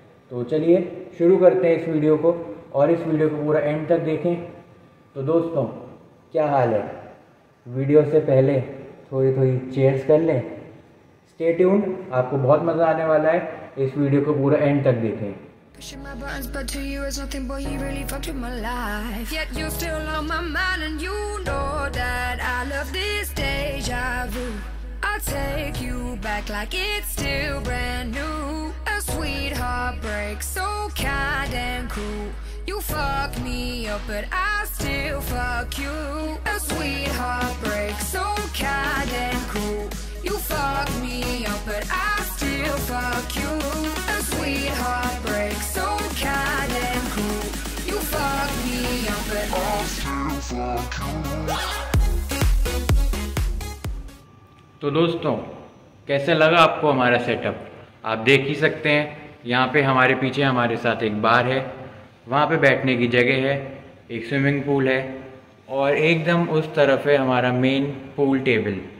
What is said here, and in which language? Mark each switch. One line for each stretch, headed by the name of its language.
Hindi: तो चलिए शुरू करते हैं इस वीडियो को, और इस वीडियो को पूरा एंड तक देखें। तो दोस्तों, क्या हाल है, वीडियो से पहले थोड़ी थोड़ी चेयर्स कर लें।
English: stay tuned,
Hindi: आपको बहुत मजा आने वाला है, इस वीडियो को पूरा एंड तक देखें।
English: Pushing my buttons, but to you it's nothing, boy, you really fucked with my life. Yet you're still on my mind and you know that I love this deja vu. I'll take you back like it's still brand new. A sweet heartbreak, so kind and cruel. You fuck me up, but I still fuck you. A sweet heartbreak, so kind and cruel. You fuck me up, but I still fuck you. A sweet heartbreak, so kind and cruel. You fuck me up, but I still fuck you.
Hindi: तो दोस्तों, कैसे लगा आपको हमारा setup, आप देख ही सकते हैं। यहाँ पे हमारे पीछे हमारे साथ एक बार है, वहाँ पे बैठने की जगह है, एक स्विमिंग पूल है, और एकदम उस तरफ है हमारा मेन पूल टेबल।